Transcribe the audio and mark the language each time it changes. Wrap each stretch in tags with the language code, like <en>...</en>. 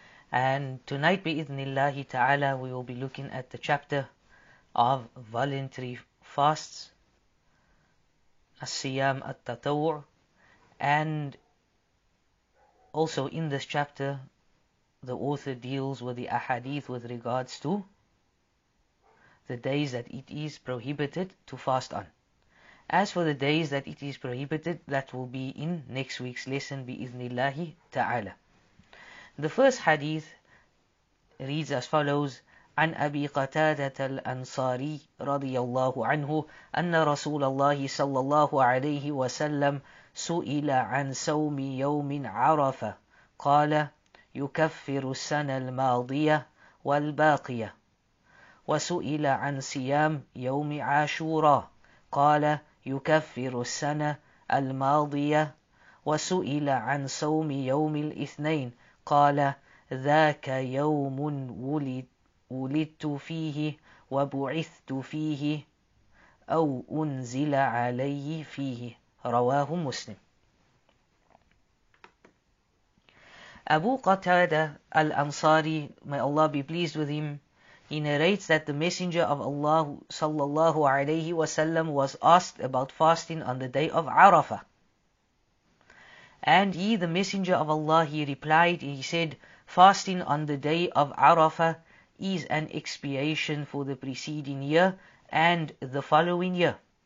<en>And tonight, bi-idhnillahi ta'ala, we will be looking at the chapter of voluntary fasts, As-Siyam At-Tatawu', and also in this chapter the author deals with the ahadith with regards to the days that it is prohibited to fast on. As for the days that it is prohibited, that will be in next week's lesson bi-idhnillahi ta'ala. The first hadith reads as follows:</en> <ar>عن أبي قتادة الأنصاري رضي الله عنه أن رسول الله صلى الله عليه وسلم سئل عن صوم يوم عرفة قال يكفر السنة الماضية والباقية وسئل عن صيام يوم عاشوراء قال يكفر السنة الماضية وسئل عن صوم يوم الاثنين قال ذاك يوم ولدت فيه وبعثت فيه أو أنزل علي فيه رواه مسلم.</ar> <en>Abu Qatada al-Ansari, may Allah be pleased with him, he narrates that the Messenger of Allah sallallahu alayhi wa sallam was asked about fasting on the day of Arafah. And he, the Messenger of Allah, he replied, he said, fasting on the day of Arafah is an expiation for the preceding year and the following year.</en>